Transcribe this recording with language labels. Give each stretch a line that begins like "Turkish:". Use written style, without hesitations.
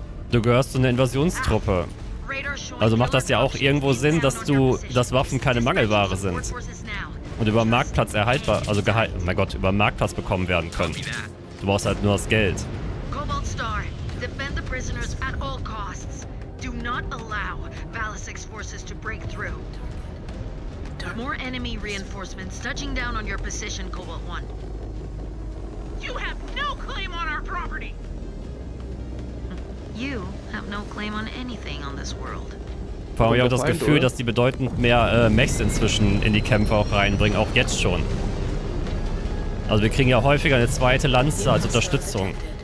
German: Du gehörst zu einer Invasionstruppe. Also macht das ja auch irgendwo Sinn, dass Waffen keine Mangelware sind. Und über Marktplatz erhaltbar, also gehalten, mein Gott, über Marktplatz bekommen werden können. Du brauchst halt nur das Geld.
English: Cobalt Star, defend the prisoners at all costs. Do not allow Valisic's forces to break through. More enemy reinforcements touching down on your position, Cobalt One. You have no claim on our property! You have no claim on anything on this world.
German: Vor allem, ich habe das Gefühl, dass die bedeutend mehr Mechs inzwischen in die Kämpfe auch reinbringen, auch jetzt schon. Also wir kriegen ja häufiger eine zweite Lanze als Unterstützung.